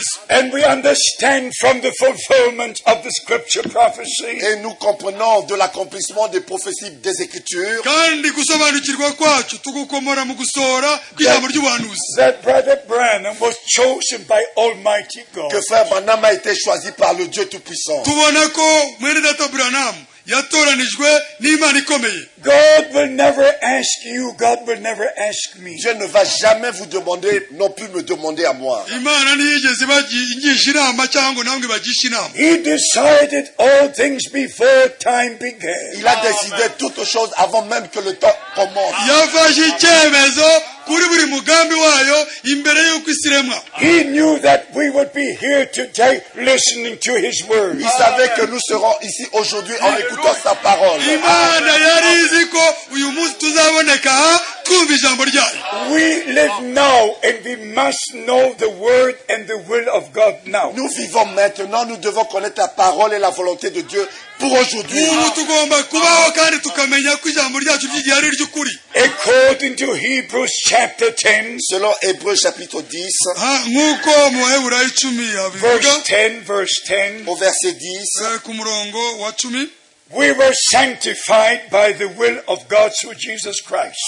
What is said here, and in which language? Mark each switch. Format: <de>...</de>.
<en>And we understand from the fulfillment of the scripture prophecy.</en> <fr>Et nous comprenons de l'accomplissement des prophéties des Écritures.</fr> <rw>Kandi gusobanukirwa kwacu tugukomora mu gusohora ijambo ry'ubuhanuzi.</rw> <en>That brother Branham was chosen by Almighty God.</en> <fr>Que frère Branham a été choisi par le Dieu Tout-Puissant.</fr> <rw>Tubona ko mwene data Branham yatoranijwe n'Imana ikomeye.</rw> <en>God will never ask you, God will never ask me.</en> <fr>Je ne vais jamais vous demander, non plus me demander à moi.</fr> <rw>Imana ntiyigeze ingisha inama cyangwa namwe bagisha inama.</rw> <en>He decided all things before time began.</en> <fr>Il a décidé toutes choses avant même que le temps commence.</fr> <rw>Yafashe icyemezo kuri buri mugambi wayo imbere y'uko isiremwa.</rw> <en>He knew that we would be here today listening to his word.</en> <fr>Il savait que nous serons ici aujourd'hui en écoutant sa parole.</fr> <rw>Imana yarizi ko uyu munsi tuzaboneka twumva ijambo ryayo.</rw> <en>We live now and we must know the word and the will of God now.</en> <fr>Nous vivons maintenant, nous devons connaître la parole et la volonté de Dieu. Pour aujourd'hui.</fr> <en>According to Hebrews chapter 10,</en> <fr>selon Hébreux chapitre 10,</fr> <en>verse 10,</en> <fr>au verset 10,</fr> <en>we were sanctified by the will of God through Jesus Christ.</en>